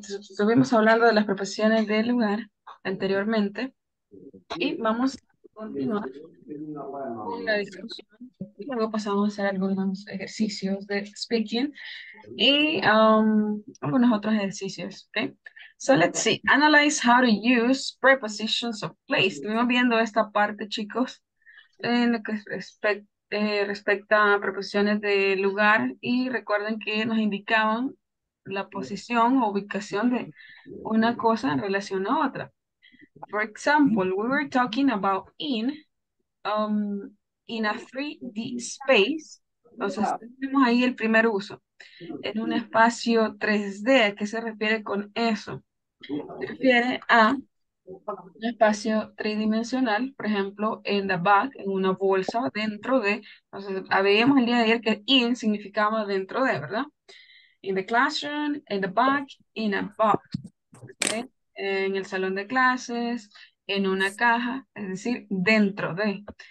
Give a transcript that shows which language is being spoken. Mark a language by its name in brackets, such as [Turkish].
[Spanish] Estuvimos hablando de las preposiciones de lugar anteriormente y vamos a continuar con la discusión. Luego pasamos a hacer algunos ejercicios de speaking y algunos otros ejercicios, ¿okay? [English] So let's see, analyze how to use prepositions of place. [Spanish] Estuvimos viendo esta parte, chicos, en lo que respecto a preposiciones de lugar y recuerden que nos indicaban la posición o ubicación de una cosa en relación a otra. [English] For example, we were talking about in a 3D space. [Spanish] Entonces, tenemos ahí el primer uso. En un espacio 3D, ¿a qué se refiere con eso? Se refiere a un espacio tridimensional, por ejemplo, [English] in the bag, [Spanish] en una bolsa, dentro de. Entonces, veíamos el día de ayer que in significaba dentro de, ¿verdad? [English] In the classroom, in the bag, in a box. ¿Okay? [Spanish] En el salón de clases, en una caja, es decir, dentro de.